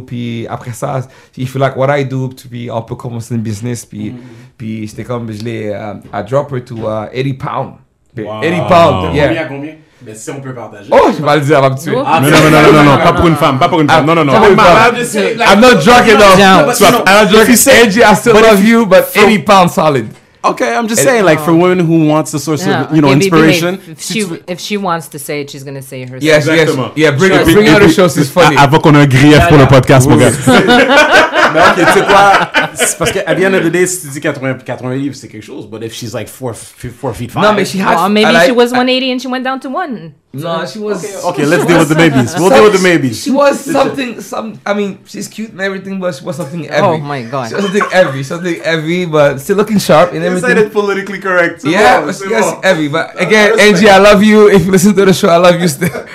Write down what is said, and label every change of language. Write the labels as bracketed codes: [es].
[fr] Puis après ça, [en] if you like what I do, [fr] puis on peut commencer un business. Puis puis j'étais comme, je l'ai à dropper to 80 pounds. Wow. [en] 80 pounds, yeah. [fr] Combien? Mais si on peut partager. Oh, je vais le dire à ma petite. Non, pas pour une femme, Non, non, non. [en] I'm not drunk enough. Angie, I still love you, but 80 pounds solid. Okay, I'm just saying, like, for women who wants the source of, you know, inspiration. If she wants to say it, she's going to say it herself. Yes, exactly. Yes. Yeah, bring out the show, it's funny. [fr] Avant qu'on ait un grief pour le podcast, mon gars. Mais ok, tu sais quoi? C'est parce qu'à bien regarder, si tu dis 80 livres, c'est quelque chose. [en] But if she's like 4 feet 5. [fr] Non, mais [en] she has... Well, maybe she was 180 and she went down to 1. No, she was... Okay, let's deal with the babies. We'll deal with the babies. She was something... I mean, she's cute and everything, but she was something heavy. Oh, my God. She was something heavy. Something heavy, but still looking sharp and everything. You said it politically correct. Yeah, yes, heavy. But again, Angie, I love you. If you listen to the show, I love you still.